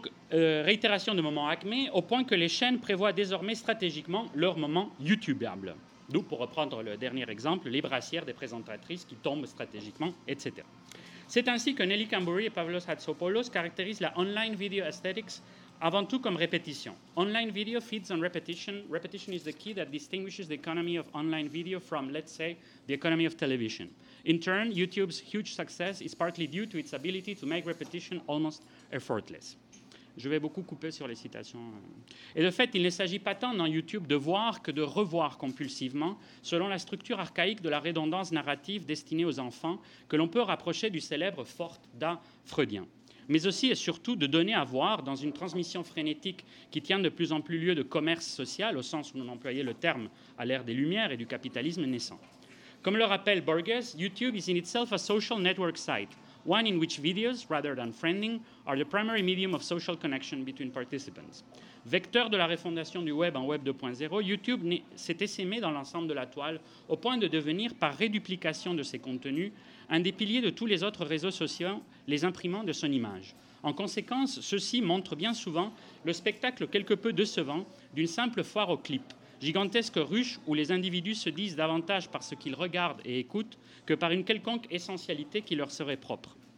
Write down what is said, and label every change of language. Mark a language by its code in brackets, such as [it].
[fr] Réitération de moments acmés, au point que les chaînes prévoient désormais stratégiquement leurs moments YouTubeables. D'où, pour reprendre le dernier exemple, les brassières des présentatrices qui tombent stratégiquement, etc. C'est ainsi que Nelly Cambori et Pavlos Hatzopoulos caractérisent la « [en] online video aesthetics [fr] » avant tout comme répétition. [en] Online video feeds on repetition. Repetition is the key that distinguishes the economy of online video from, let's say, the economy of television. In turn, YouTube's huge success is partly due to its ability to make repetition almost effortless. [fr] Je vais beaucoup couper sur les citations. Et de fait, il ne s'agit pas tant dans YouTube de voir que de revoir compulsivement, selon la structure archaïque de la redondance narrative destinée aux enfants, que l'on peut rapprocher du célèbre Fort da Freudien. Mais aussi et surtout de donner à voir dans une transmission frénétique qui tient de plus en plus lieu de commerce social, au sens où l'on employait le terme à l'ère des Lumières et du capitalisme naissant. Comme le rappelle Borges, [en] YouTube is in itself a social network site, one in which videos, rather than friending, are the primary medium of social connection between participants. [fr] Vecteur de la refondation du web en web 2.0, YouTube s'est essaimé dans l'ensemble de la toile au point de devenir, par réduplication de ses contenus, un des piliers de tous les autres réseaux sociaux, les imprimant de son image. En conséquence, ceux-ci montrent bien souvent le spectacle quelque peu décevant d'une simple foire aux clips, gigantesque ruche où les individus se disent davantage par ce qu'ils regardent et écoutent que par une quelconque essentialité qui leur serait propre.